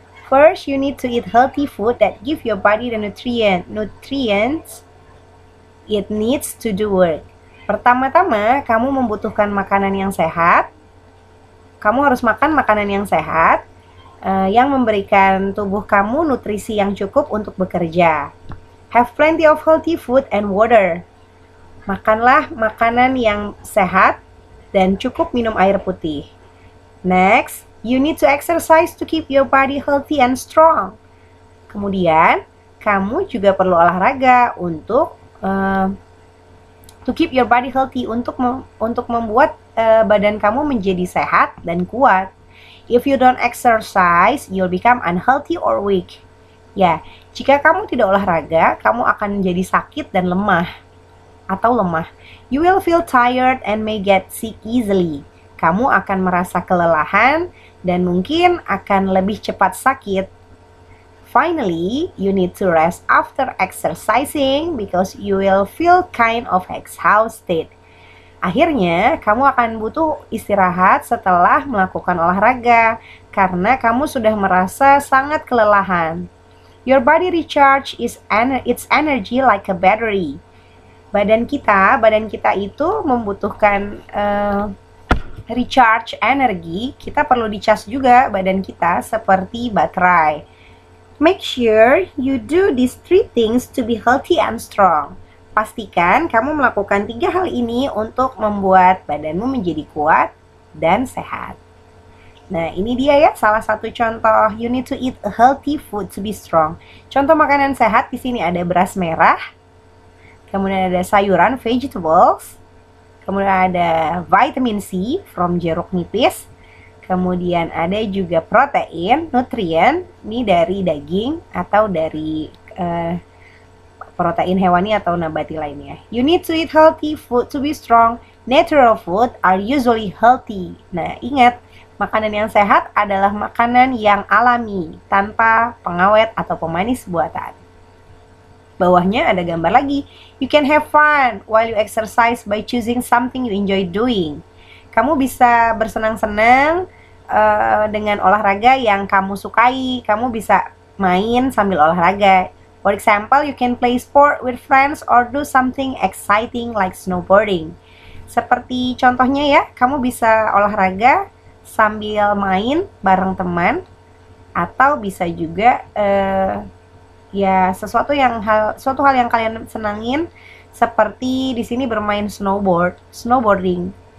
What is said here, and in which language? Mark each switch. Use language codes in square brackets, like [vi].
[en] First, you need to eat healthy food that give your body the nutrients it needs to do work. [id] Pertama-tama, kamu membutuhkan makanan yang sehat. Kamu harus makan makanan yang sehat, yang memberikan tubuh kamu nutrisi yang cukup untuk bekerja. [en] Have plenty of healthy food and water. [id] Makanlah makanan yang sehat dan cukup minum air putih. [en] Next, you need to exercise to keep your body healthy and strong. [id] Kemudian, kamu juga perlu olahraga untuk [en] to keep your body healthy, [id] untuk membuat badan kamu menjadi sehat dan kuat. [en] If you don't exercise, you'll become unhealthy or weak. [id] Ya, jika kamu tidak olahraga, kamu akan menjadi sakit dan lemah. Atau lemah. [en] You will feel tired and may get sick easily. [id] Kamu akan merasa kelelahan dan mungkin akan lebih cepat sakit. [en] Finally, you need to rest after exercising because you will feel kind of exhausted. [id] Akhirnya, kamu akan butuh istirahat setelah melakukan olahraga karena kamu sudah merasa sangat kelelahan. [en] Your body recharge is its energy like a battery. [id] Badan kita itu membutuhkan recharge energi, kita perlu dicas juga badan kita seperti baterai. [en] Make sure you do these three things to be healthy and strong. [id] Pastikan kamu melakukan tiga hal ini untuk membuat badanmu menjadi kuat dan sehat. Nah, ini dia ya salah satu contoh. [en] You need to eat a healthy food to be strong. [id] Contoh makanan sehat di sini ada beras merah, kemudian ada sayuran, [en] vegetables. [id] Kemudian ada vitamin C from jeruk nipis. Kemudian ada juga protein, nutrien. Ini dari daging atau dari protein hewani atau nabati lainnya. [en] You need to eat healthy food to be strong. Natural food are usually healthy. [id] Nah, ingat, makanan yang sehat adalah makanan yang alami, tanpa pengawet atau pemanis buatan. Bawahnya ada gambar lagi. [en] You can have fun while you exercise by choosing something you enjoy doing. [id] Kamu bisa bersenang-senang dengan olahraga yang kamu sukai. Kamu bisa main sambil olahraga. [en] For example, you can play sport with friends or do something exciting like snowboarding. [id] Seperti contohnya ya, kamu bisa olahraga sambil main bareng teman, atau bisa juga ya suatu hal yang kalian senangin, seperti di sini bermain snowboarding.